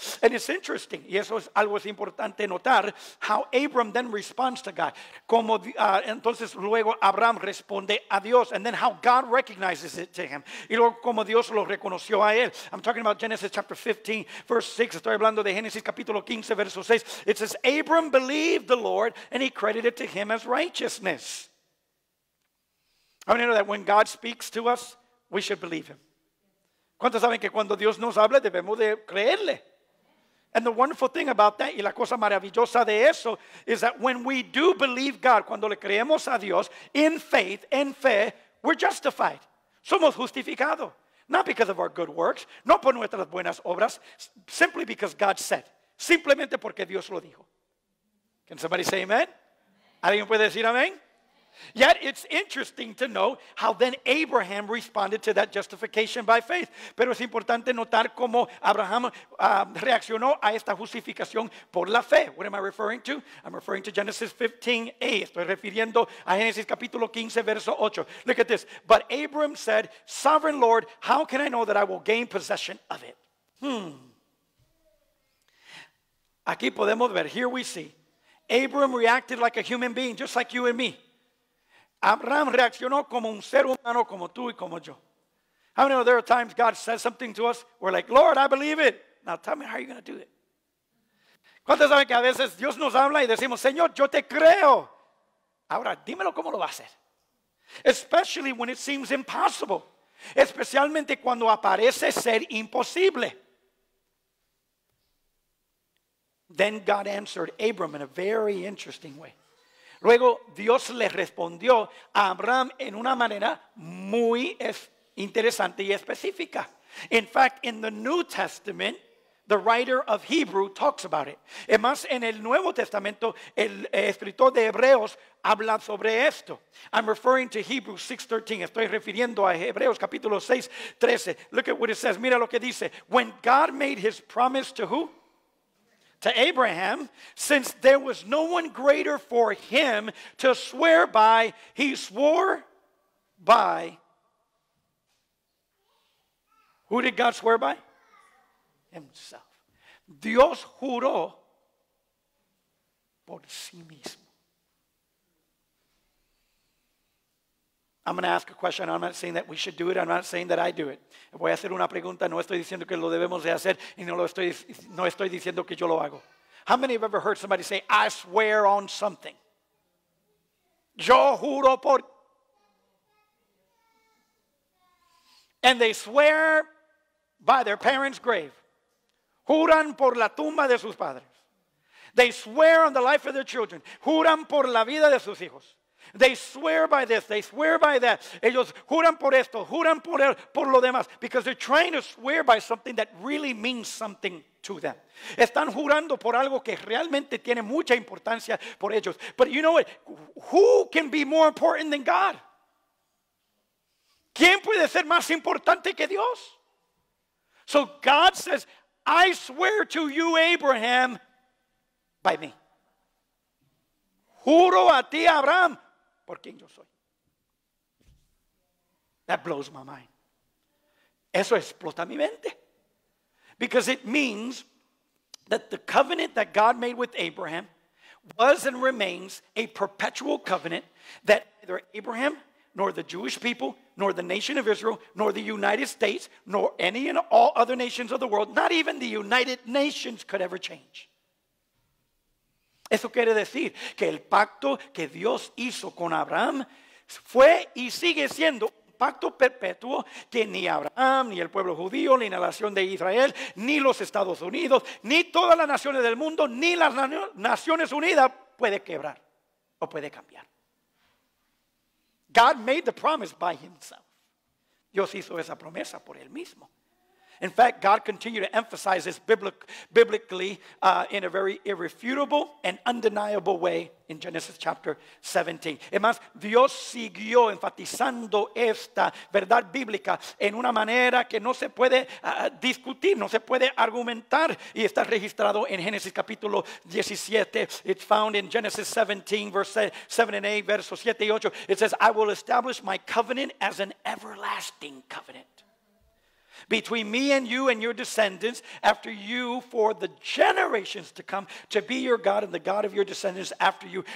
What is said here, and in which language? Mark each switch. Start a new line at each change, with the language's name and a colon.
English: And it's interesting,
Spanish: y eso es algo es importante notar,
English: how Abram then responds to God.
Spanish: Como entonces luego Abraham responde a Dios,
English: and then how God recognizes it to him.
Spanish: Y luego como Dios lo reconoció a él.
English: I'm talking about Genesis chapter 15, verse 6.
Spanish: Estoy hablando de Génesis capítulo 15, verso 6.
English: It says, Abram believed the Lord, and he credited to him as righteousness. I mean, you know that when God speaks to us, we should believe him.
Spanish: ¿Cuántos saben que cuando Dios nos habla debemos de creerle?
English: And the wonderful thing about that,
Spanish: y la cosa maravillosa de eso,
English: is that when we do believe God,
Spanish: cuando le creemos a Dios,
English: in faith,
Spanish: en fe,
English: we're justified.
Spanish: Somos justificados.
English: Not because of our good works,
Spanish: no por nuestras buenas obras,
English: simply because God said.
Spanish: Simplemente porque Dios lo dijo.
English: Can somebody say amen?
Spanish: ¿Alguien puede decir amén?
English: Yet it's interesting to know how then Abraham responded to that justification by faith.
Spanish: Pero es importante notar cómo Abraham reaccionó a esta justificación por la fe.
English: What am I referring to? I'm referring to Genesis 15:8.
Spanish: Estoy refiriendo a Génesis capítulo 15, verso 8.
English: Look at this. But Abram said, Sovereign Lord, how can I know that I will gain possession of it?
Spanish: Aquí podemos ver,
English: here we see. Abram reacted like a human being, just like you and me.
Spanish: Abraham reaccionó como un ser humano como tú y como yo.
English: How many of there are times God says something to us, we're like, Lord, I believe it. Now tell me, how are you going to do it?
Spanish: ¿Cuántos saben que a veces Dios nos habla y decimos, Señor, yo te creo? Ahora, dímelo cómo lo va a hacer.
English: Especially when it seems impossible.
Spanish: Especialmente cuando aparece ser imposible.
English: Then God answered Abram in a very interesting way.
Spanish: Luego Dios le respondió a Abraham en una manera muy interesante y específica.
English: In fact, in the New Testament, the writer of Hebrew talks about it.
Spanish: Es más, en el Nuevo Testamento, el escritor de Hebreos habla sobre esto.
English: I'm referring to Hebrews 6:13.
Spanish: Estoy refiriendo a Hebreos capítulo 6, 13.
English: Look at what it says.
Spanish: Mira lo que dice.
English: When God made his promise to who? To Abraham, since there was no one greater for him to swear by, he swore by. Who did God swear by? Himself.
Spanish: Dios juró por sí mismo.
English: I'm going to ask a question. I'm not saying that we should do it. I'm not saying that I do it.
Spanish: Voy a hacer una pregunta. No estoy diciendo que lo debemos de hacer. Y no estoy diciendo que yo lo hago.
English: How many have ever heard somebody say, I swear on something?
Spanish: Yo juro por.
English: And they swear by their parents' grave.
Spanish: Juran por la tumba de sus padres.
English: They swear on the life of their children.
Spanish: Juran por la vida de sus hijos.
English: They swear by this, they swear by that.
Spanish: Ellos juran por esto, juran por lo demás.
English: Because they're trying to swear by something that really means something to them.
Spanish: Están jurando por algo que realmente tiene mucha importancia por ellos.
English: But you know what? Who can be more important than God?
Spanish: ¿Quién puede ser más importante que Dios?
English: So God says, I swear to you, Abraham, by me.
Spanish: Juro a ti, Abraham, por quien yo soy.
English: That blows my mind.
Spanish: Eso explota mi mente.
English: Because it means that the covenant that God made with Abraham was and remains a perpetual covenant that neither Abraham nor the Jewish people, nor the nation of Israel, nor the United States, nor any and all other nations of the world, not even the United Nations could ever change.
Spanish: Eso quiere decir que el pacto que Dios hizo con Abraham fue y sigue siendo un pacto perpetuo que ni Abraham, ni el pueblo judío, ni la nación de Israel, ni los Estados Unidos, ni todas las naciones del mundo, ni las Naciones Unidas puede quebrar o puede cambiar.
English: God made the promise by himself.
Spanish: Dios hizo esa promesa por él mismo.
English: In fact, God continued to emphasize this biblically in a very irrefutable and undeniable way in Genesis chapter 17.
Spanish: Es más, Dios siguió enfatizando esta verdad bíblica en una manera que no se puede discutir, no se puede argumentar, y está registrado en Génesis capítulo 17.
English: It's found in Genesis 17, verse 7 and 8,
Spanish: versos 7 y 8.
English: It says, I will establish my covenant as an everlasting covenant between me and you and your descendants after you for the generations to come, to be your God and the God of your descendants after you.